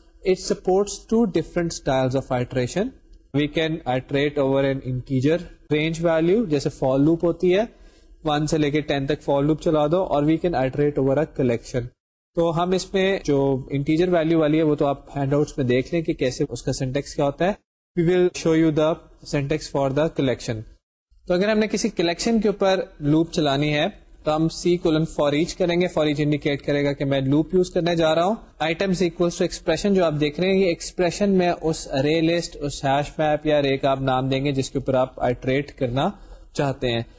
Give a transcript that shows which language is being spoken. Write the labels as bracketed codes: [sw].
[en] It supports two different styles of iteration. We can iterate over an integer range value, [ur] جیسے for loop ہوتی ہے 1 سے لے کے 10 تک for loop چلا دو, اور [en] we can iterate over a collection. [ur] تو ہم اس میں جو integer value والی ہے وہ تو آپ ہینڈ آؤٹس میں دیکھ لیں کہ کیسے اس کا سینٹیکس کیا ہوتا ہے. [en] We will show you the syntax for the collection. [ur] تو اگر ہم نے کسی کلیکشن کے اوپر لوپ چلانی ہے تو ہم سی کولن فور ایچ کریں گے. فور ایچ انڈیکیٹ کرے گا کہ میں لوپ یوز کرنے جا رہا ہوں. [en] items equals to expression [ur] جو آپ دیکھ رہے ہیں, یہ ایکسپریشن میں اس رے لسٹ اس ہیش میپ یا رے کا آپ نام دیں گے جس کے اوپر آپ آئٹریٹ کرنا چاہتے ہیں.